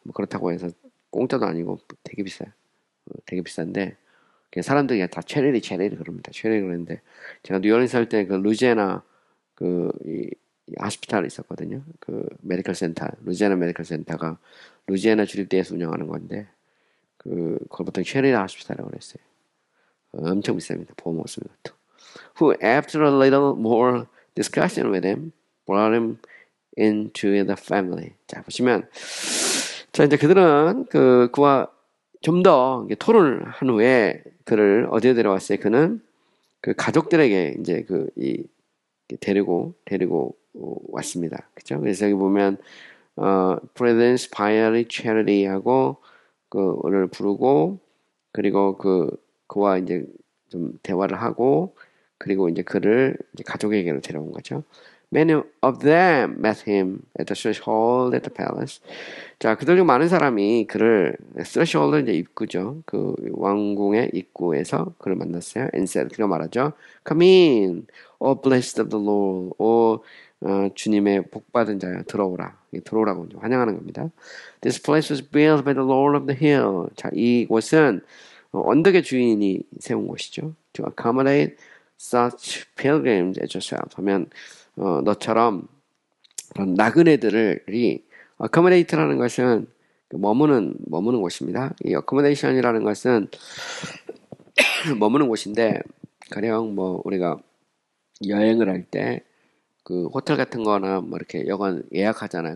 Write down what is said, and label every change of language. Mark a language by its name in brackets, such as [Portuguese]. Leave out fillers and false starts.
[Korean] 그렇다고 해서 공짜도 아니고 되게 비싸요. 되게 비싼데 사람들이 다 체리리 체리리 그럽니다. 체리리 그러는데 제가 뉴올리스 살때그 루지애나 그이 하스피탈 있었거든요. 그 메디컬 센터, 루지애나 메디컬 센터가 루지애나 주립대에서 운영하는 건데 그 그걸 보통 체리리 하스피탈이라고 그랬어요. 엄청 비쌉니다. 보험 없으면 또. [English] Who after a little more discussion with him, brought him into the family. [Korean] 자, 보시면, 자, 이제 그들은 그와 좀더 토론을 한 후에 그를 어디에 데려왔어요? 그는 그 가족들에게 이제 데리고 왔습니다. 그쵸? 그래서 여기 보면, prudence, piety, charity 하고 그 오늘 부르고, 그리고 그와 이제 좀 대화를 하고, 그리고 이제 그를 이제 가족에게로 데려온 거죠. [English] Many of them met him at the threshold at the palace. [Korean] 자, 그들 중 많은 사람이 그를 threshold은 이제 입구죠. 그 왕궁의 입구에서 그를 만났어요. [English] And said, [Korean] 그가 말하죠. [English] Come in, O blessed of the Lord. [Korean] 오, 주님의 복받은 자여, 들어오라. 들어오라고 이제 환영하는 겁니다. [English] This place was built by the Lord of the Hill. [Korean] 자, 이곳은 언덕의 주인이 세운 곳이죠. [English] To accommodate such pilgrims as yourself. [Korean] 하면, 너처럼, 그런 나그네들을, accommodate라는 것은, 머무는 곳입니다. 이 accommodation이라는 것은, 머무는 곳인데, 가령, 뭐, 우리가 여행을 할 때, 그, 호텔 같은 거나, 뭐, 이렇게 여관 예약하잖아요.